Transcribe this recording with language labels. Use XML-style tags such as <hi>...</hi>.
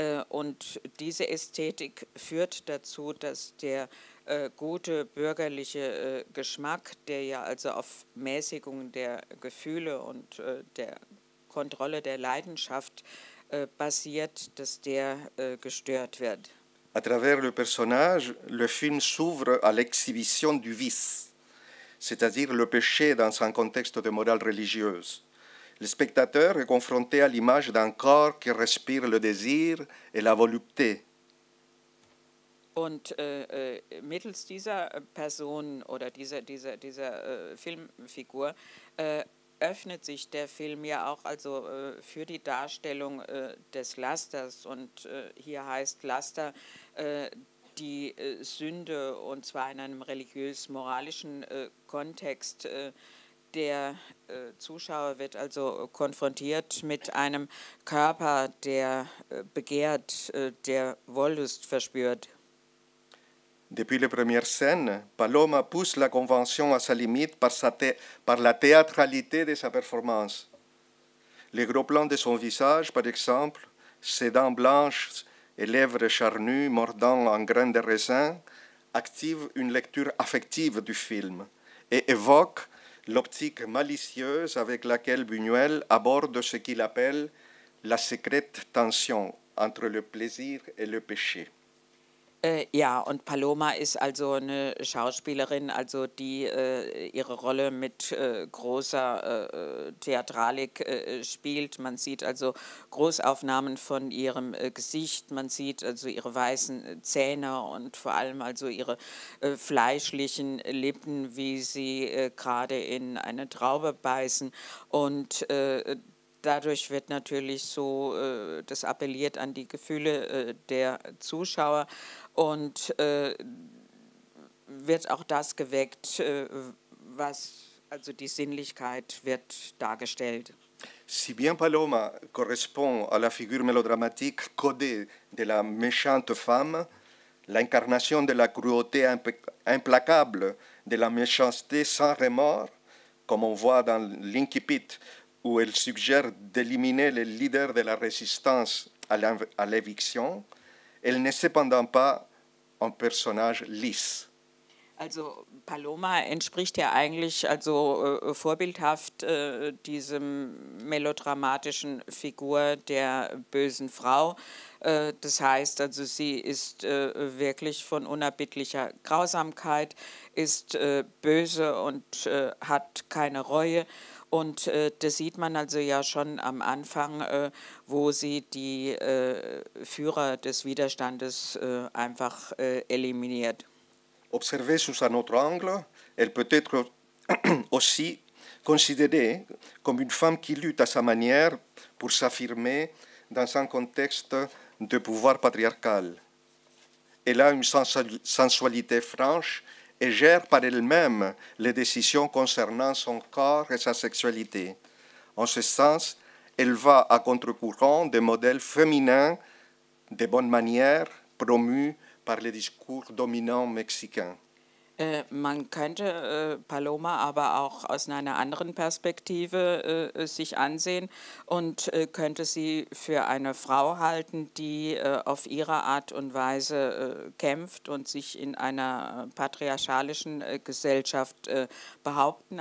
<de>und diese Ästhetik führt dazu, dass der gute bürgerliche Geschmack, der ja also auf Mäßigung der Gefühle und der Kontrolle der Leidenschaft basiert, dass der gestört wird.</de> <fr>À travers le personnage, le film s'ouvre à l'exhibition du vice. c'est-à-dire le péché dans un contexte de morale religieuse. Le spectateur est confronté à l'image d'un corps qui respire le désir et la volupté.</fr> <de>Und mittels dieser Person oder dieser Filmfigur öffnet sich der Film ja auch also für die Darstellung des Lasters. Und hier heißt Laster die Sünde, und zwar in einem religiös-moralischen Kontext. Der Zuschauer wird also konfrontiert mit einem Körper, der begehrt, der Wollust verspürt.</de> <fr>Depuis les premières scènes, Paloma pousse la convention à sa limite par la théâtralité de sa performance. Les gros plans de son visage, par exemple, ses dents blanches et lèvres charnues mordant en grains de raisin, activent une lecture affective du film et évoquent l'optique malicieuse avec laquelle Buñuel aborde ce qu'il appelle la secrète tension entre le plaisir et le péché.</fr> <de>Ja, und Paloma ist also eine Schauspielerin, also die ihre Rolle mit großer Theatralik spielt. Man sieht also Großaufnahmen von ihrem Gesicht, man sieht also ihre weißen Zähne und vor allem also ihre fleischlichen Lippen, wie sie gerade in eine Traube beißen. Und dadurch wird natürlich so, das appelliert an die Gefühle der Zuschauer. Und wird auch das geweckt, was also die Sinnlichkeit wird dargestellt.</de> <fr>Si bien Paloma correspond à la figure mélodramatique codée de la méchante femme, l'incarnation de la cruauté implacable, de la méchanceté sans remords, comme on voit dans L'Incipit, où elle suggère d'éliminer les leaders de la résistance à l'éviction, elle n'est cependant pas un personnage lisse.</fr> <de>Also Paloma entspricht ja eigentlich also vorbildhaft diesem melodramatischen Figur der bösen Frau. Das heißt, also sie ist wirklich von unerbittlicher Grausamkeit, ist böse und hat keine Reue. Und das sieht man also ja schon am Anfang, wo sie die Führer des Widerstandes einfach eliminiert.</de> <fr>Observée sous un autre angle, elle peut être aussi considérée comme une femme qui lutte à sa manière pour s'affirmer dans un contexte de pouvoir patriarcal. Elle a une sensualité franche et gère par elle-même les décisions concernant son corps et sa sexualité. En ce sens, elle va à contre-courant des modèles féminins de bonne manière promus par les discours dominants mexicains.</fr> <de>Man könnte Paloma aber auch aus einer anderen Perspektive sich ansehen und könnte sie für eine Frau halten, die auf ihre Art und Weise kämpft und sich in einer patriarchalischen Gesellschaft behaupten.</de>